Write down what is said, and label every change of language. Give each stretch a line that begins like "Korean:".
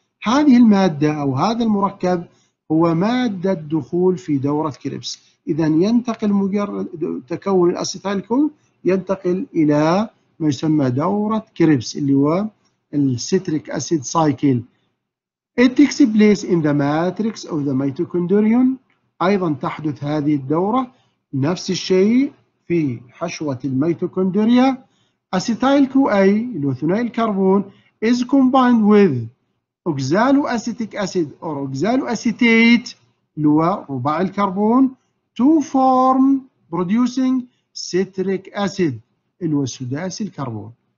Arabic: هذه المادة أو هذا المركب هو مادة دخول في دورة كريبس. إذا ينتقل مجرد تكون الأسيتايل كو ينتقل إلى ما يسمى دورة كريبس اللي هو السيتريك أسيد سايكل.
English: It takes place in the matrix of the mitochondrion.
Arabic: أيضا تحدث هذه الدورة نفس الشيء في حشوة الميتوكوندريا.
English: Acetyl co A اللي هو ثنائي الكربون is combined with oxaloacetic acid أو أوكزالو أسيتيت اللي هو رباع الكربون to form producing citric acid اللي هو سداسي الكربون.